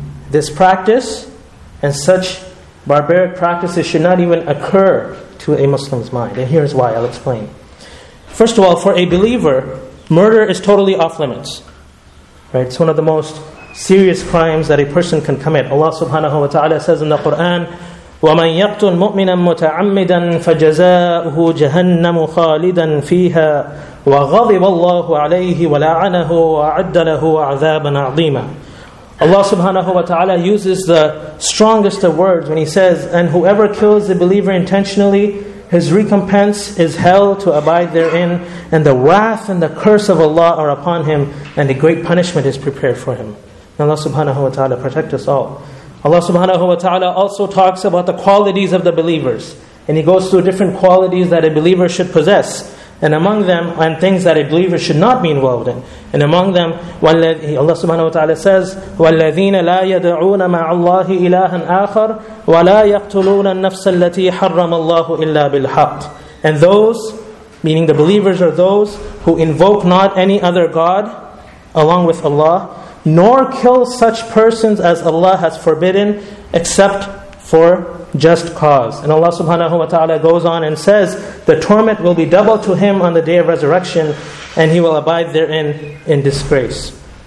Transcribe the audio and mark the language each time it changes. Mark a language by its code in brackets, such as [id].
[en] This practice and such barbaric practices should not even occur to a Muslim's mind. And here's why, I'll explain. First of all, for a believer, murder is totally off limits. Right? It's one of the most serious crimes that a person can commit. Allah subhanahu wa ta'ala says in the Quran, [ar] وَمَنْ يَقْتُلْ مُؤْمِنًا مُتَعَمِّدًا فَجَزَاؤُهُ جَهَنَّمُ خَالِدًا فِيهَا وَغَضِبَ اللَّهُ عَلَيْهِ وَلَعَنَهُ وَعَدَّ لَهُ عَذَابًا عَظِيمًا. [en] Allah subhanahu wa ta'ala uses the strongest of words when he says, and whoever kills the believer intentionally, his recompense is hell to abide therein, and the wrath and the curse of Allah are upon him, and a great punishment is prepared for him. May Allah subhanahu wa ta'ala protect us all. Allah subhanahu wa ta'ala also talks about the qualities of the believers, and he goes through different qualities that a believer should possess. and among them, and things that a believer should not be involved in. And among them, Allah subhanahu wa ta'ala says, [ar] وَالَّذِينَ لَا يَدْعُونَ مَعَ اللَّهِ إِلَٰهًا آخَرَ وَلَا يَقْتُلُونَ النَّفْسَ الَّتِي حَرَّمَ اللَّهُ إِلَّا بِالْحَقِّ. [en] And those, meaning the believers, are those who invoke not any other God along with Allah, nor kill such persons as Allah has forbidden, except for just cause. And Allah subhanahu wa ta'ala goes on and says, the torment will be double to him on the day of resurrection, and he will abide therein in disgrace.